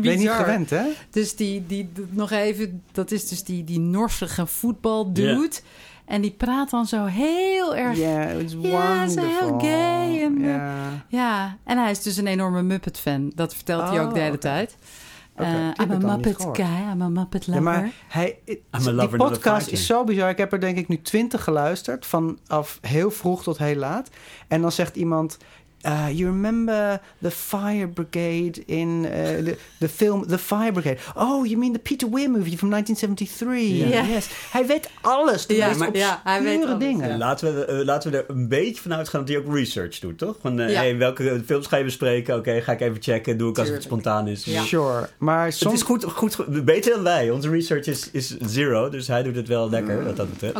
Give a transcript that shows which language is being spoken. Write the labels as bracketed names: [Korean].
[Dutch] Ben je niet gewend, hè? Dus die nog even... Dat is dus die Norse voetbaldude. Yeah. En die praat dan zo heel erg... [English] Ja, yeah, it's wonderful. Ja, [Dutch] zo heel gay. En hij is dus een enorme Muppet-fan. Dat vertelt hij ook de hele tijd. [English] I'm a Muppet guy, I'm a Muppet lover. [Dutch] Ja, maar die podcast is zo bizar. Ik heb er denk ik nu 20 geluisterd. Vanaf heel vroeg tot heel laat. En dan zegt iemand... [English] you remember the Fire Brigade in the film The Fire Brigade? Oh, you mean the Peter Weir movie from 1973? Yeah. [Dutch] Yes. Hij weet alles. Hij weet obscure dingen. Laten we er een beetje van uitgaan dat hij ook research doet, toch? Van, welke films ga je bespreken? Oké, ga ik even checken. Doe ik als het spontaan is. Ja. Sure. Maar het is goed, beter dan wij. Onze research is zero. Dus hij doet het wel lekker, wat dat betreft.